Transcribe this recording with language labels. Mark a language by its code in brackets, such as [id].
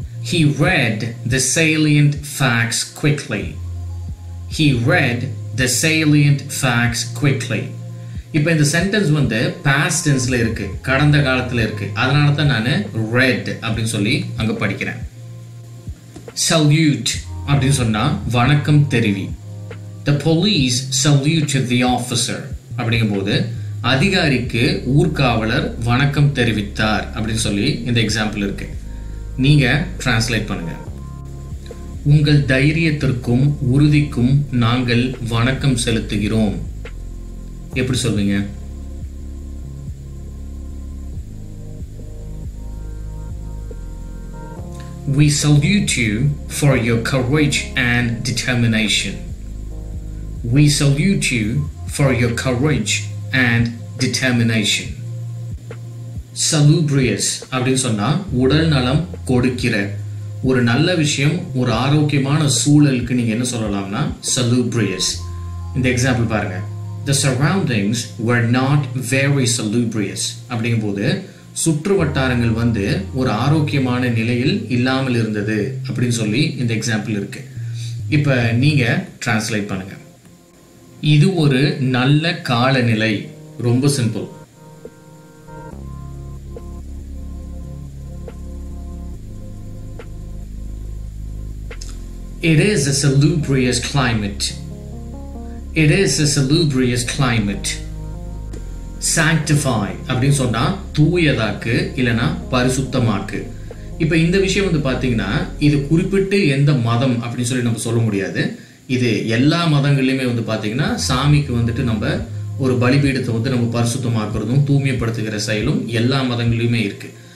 [en] He read the salient facts quickly. He read the salient facts quickly. [ta] இப்ப இந்த sentence வந்து past டென்ஸ்ல இருக்கு, கடந்த காலத்துல இருக்கு. அதனால தான் நான் ரெட் அப்படின்னு சொல்லி அங்க படிக்கிறேன். Salute அப்படின்னு சொன்னா வணக்கம் தெரிவி. [en] The police saluted the officer [ta] அப்படிங்கும் போது அதிகாரிக்கு ஊர்காவலர் வணக்கம் தெரிவித்தார் அப்படின்னு சொல்லி இந்த எக்ஸாம்பிள் இருக்கு. நீங்க டிரான்ஸ்லேட் பண்ணுங்க. உங்கள் தைரியத்திற்கும் உறுதிக்கும் நாங்கள் வணக்கம் செலுத்துகிறோம். எப்படி சொல்வீங்க? [en] We salute you for your courage and determination. We salute you for your courage and determination. [ta] Salubrious அப்படின்னு சொன்னா உடல் நலம் கொடுக்கிற ஒரு நல்ல விஷயம், ஒரு ஆரோக்கியமான சூழலுக்கு நீங்க என்ன சொல்லலாம்னா salubrious. இந்த எக்ஸாம்பிள் பாருங்க. [en] The surroundings were not very salubrious [ta] அப்படிங்கும் போது சுற்று வட்டாரங்கள் வந்து ஒரு ஆரோக்கியமான நிலையில் இல்லாமல் இருந்தது அப்படின்னு சொல்லி இந்த எக்ஸாம்பிள் இருக்கு. இப்ப நீங்க டிரான்ஸ்லேட் பண்ணுங்க. இது ஒரு நல்ல காலநிலை. ரொம்ப simple. [en] It is a salubrious climate. It is a salubrious climate. [ta] Sanctify அப்படின்னு சொன்னா தூயதாக்கு இல்லனா பரிசுத்தமாக்கு. இப்ப இந்த விஷயம் வந்து பாத்தீங்கன்னா இது குறிப்பிட்டு எந்த மதம் அப்படின்னு சொல்லி நம்ம சொல்ல முடியாது. இது எல்லா மதங்களிலுமே வந்து பாத்தீங்கன்னா சாமிக்கு வந்துட்டு நம்ம ஒரு பலிபீடத்தை வந்து நம்ம பரிசுத்தமாக்குறதும் தூய்மைப்படுத்துகிற செயலும் எல்லா மதங்களிலுமே இருக்கு.